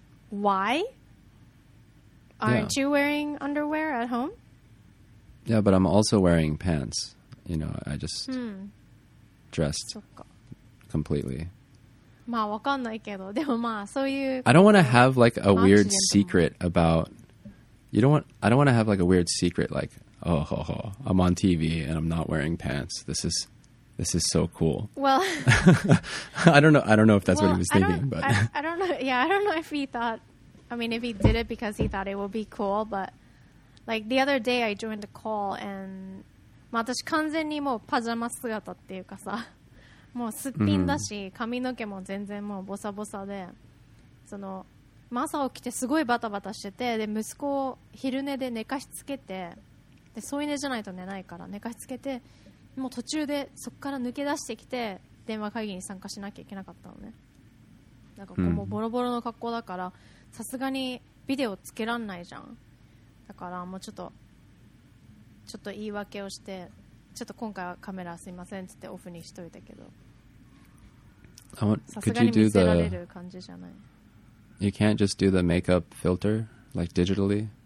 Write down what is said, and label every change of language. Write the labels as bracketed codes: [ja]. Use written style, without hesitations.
[en] Why? Aren't you wearing underwear at home? Yeah, but I'm also wearing pants. You know, I just dressed completely. [ja] まあわかんないけど、でもまあそういう。 [en] I don't want to have like a weird secret about. I don't want to have like a weird secret like, oh, oh, oh, I'm on TV and I'm not wearing pants. This is so cool. Well, I don't know if that's what he was thinking, but I don't know. Yeah, I don't know if he thought, I mean, if he did it because he thought it would be cool, but like the other day I joined a call and [ja] まあ私完全にもうパジャマ姿っていうかさ、もうすっぴんだし、髪の毛も全然もうボサボサで、その朝起きてすごいバタバタしてて、で息子を昼寝で寝かしつけて、で添い寝じゃないと寝ないから寝かしつけて、もう途中でそこから抜け出してきて電話会議に参加しなきゃいけなかったのね。なんかこうもうボロボロの格好だから、さすがにビデオつけらんないじゃん。だからもうちょっと言い訳をして、ちょっと今回はカメラすいませんって言ってオフにしといたけど、さすがに見せられる感じじゃない。 [en] You can't just do the makeup filter, like, digitally?